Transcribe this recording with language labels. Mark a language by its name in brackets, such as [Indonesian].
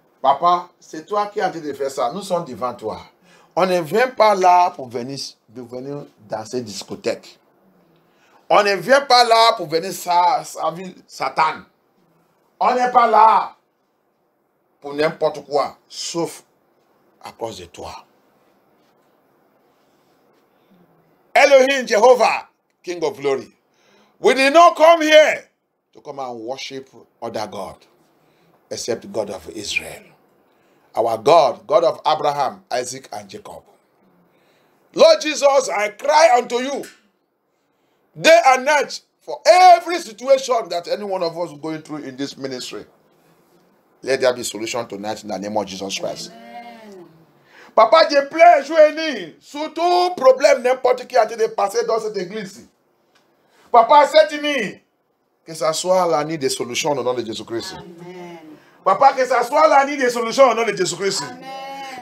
[French] Papa, c'est toi qui es en train de faire ça. Nous sommes devant toi. On ne vient pas là pour venir dans cette discothèque. On ne vient pas là pour venir servir Satan. On n'est pas là pour n'importe quoi, sauf à cause de toi. [English] Elohim, Jehovah, King of Glory, we did not come here to come and worship other God, except God of Israel. Our God, God of Abraham, Isaac, and Jacob. Lord Jesus, I cry unto you day and night for every situation that any one of us is going through in this ministry. Let there be solution tonight in the name of Jesus Christ. Amen. [French] Papa, je pleure, je nie, sous tout problème, n'importe qui a été passé dans cette église. Papa, cette nuit, que ça soit la nuit des solutions au nom de Jésus-Christ. Amen. Papa, que ça soit la nuit des solutions au nom de Jésus-Christ. Amen.